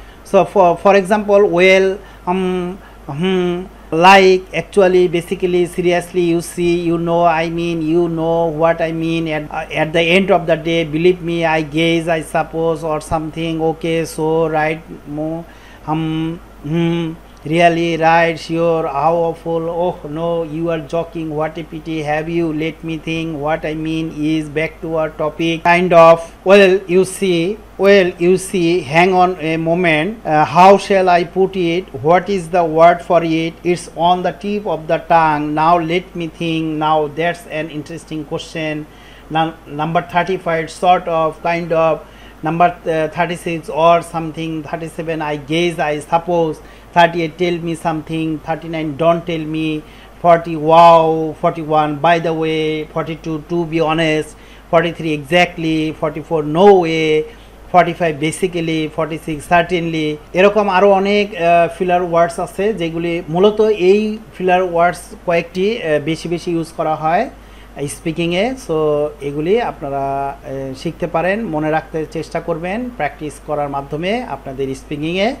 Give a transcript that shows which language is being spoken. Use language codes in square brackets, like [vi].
[en] So for example, well, hmm, like, actually, basically, seriously, you see, you know, I mean, you know, what I mean, at the end of the day, believe me, I guess, I suppose, or something, okay, so, right, মো, hum, hmm, really, right, sure, how awful, oh no, you are joking, what a pity, have you, let me think, what I mean is, back to our topic, kind of, well, you see, hang on a moment, how shall I put it, what is the word for it, it's on the tip of the tongue, now let me think, now that's an interesting question, number 35, sort of, kind of, number 36 or something, 37, I guess, I suppose, 38, tell me something, 39, don't tell me, 40, wow, 41, by the way, 42, to be honest, 43, exactly, 44, no way, 45, basically, 46, certainly. [bn] এরকম আরো অনেক filler words আছে যেগুলি মূলত এই filler words কয়েকটি বেশি বেশি ইউজ করা হয় স্পিকিংয়ে, সো এগুলি আপনারা শিখতে পারেন, মনে রাখতে চেষ্টা করবেন প্র্যাকটিস করার মাধ্যমে আপনাদের স্পিকিংয়ে।